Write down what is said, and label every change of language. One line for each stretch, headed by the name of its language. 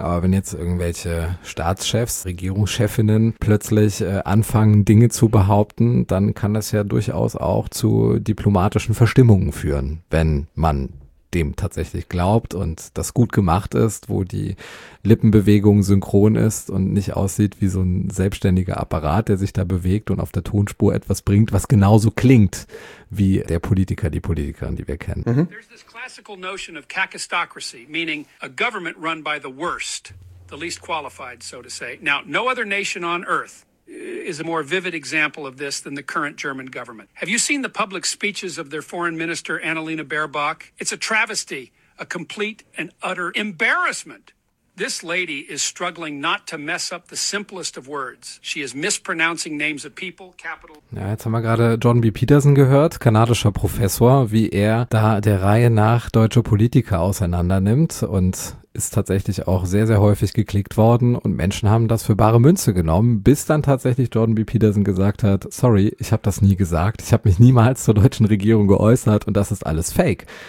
German: Aber wenn jetzt irgendwelche Staatschefs, Regierungschefinnen plötzlich anfangen, Dinge zu behaupten, dann kann das ja durchaus auch zu diplomatischen Verstimmungen führen, wenn man dem tatsächlich glaubt und das gut gemacht ist, wo die Lippenbewegung synchron ist und nicht aussieht wie so ein selbstständiger Apparat, der sich da bewegt und auf der Tonspur etwas bringt, was genauso klingt wie der Politiker, die Politikerin, die wir kennen. Mhm.
English: There's this classical notion of kakistocracy, meaning a government run by the worst, the least qualified, so to say. Now, no other nation on earth is a more vivid example of this than the current German government. Have you seen the public speeches of their foreign minister, Annalena Baerbock? It's a travesty, a complete and utter embarrassment. This lady is struggling not to mess up the simplest of words. She is mispronouncing names of people, capital.
German: Ja, jetzt haben wir gerade Jordan B. Peterson gehört, kanadischer Professor, wie er da der Reihe nach deutsche Politiker auseinandernimmt und ist tatsächlich auch sehr, sehr häufig geklickt worden und Menschen haben das für bare Münze genommen, bis dann tatsächlich Jordan B. Peterson gesagt hat, sorry, ich habe das nie gesagt, ich habe mich niemals zur deutschen Regierung geäußert und das ist alles fake.